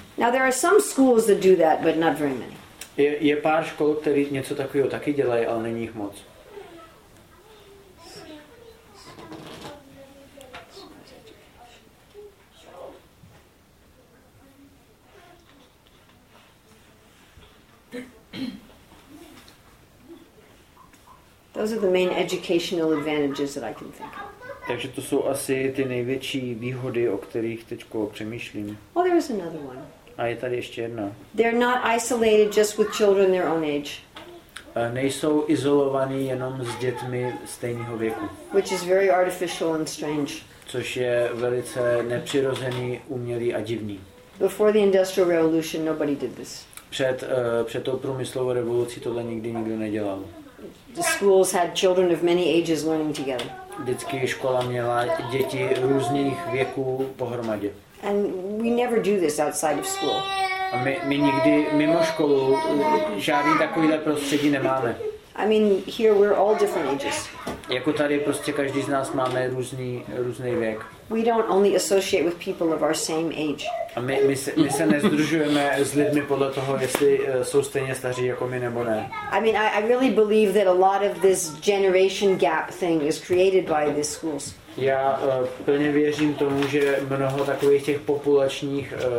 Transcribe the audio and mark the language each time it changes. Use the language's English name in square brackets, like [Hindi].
[English] Now there are some schools that do that, but not very many. [Czech] Je pár škol, které něco takového taky dělají, ale není jich moc. [English] Those are the main educational advantages that I can think of. [Czech] Takže to jsou asi ty největší výhody, o kterých teďko přemýšlím. [English] Well, there is another one. [Czech] A je tady ještě jedna. [English] They're not isolated just with children their own age. [Czech] Nejsou izolovaní jenom s dětmi stejného věku. [English] Which is very artificial and strange. [Czech] Což je velice nepřirozený, umělý a divný. [English] Before the Industrial Revolution, nobody did this. [Czech] Před tou průmyslovou revolucí tohle nikdy nikdo nedělal. [English] The schools had children of many ages learning together. [Czech] Vždycky škola měla děti různých věků pohromadě. [English] And we never do this outside of school. [Czech] A my nikdy mimo školu žádný takovýhle prostředí nemáme. [English] I mean, here we're all different ages. [Czech] Jako tady prostě každý z nás máme různý věk. [English] We don't only associate with people of our same age. [Czech] A my se nezdružujeme s lidmi podle toho, jestli jsou stejně staří jako my nebo ne. [English] I mean, I really believe that a lot of this generation gap thing is created by these schools. [Czech] Já plně věřím tomu, že mnoho takových těch populačních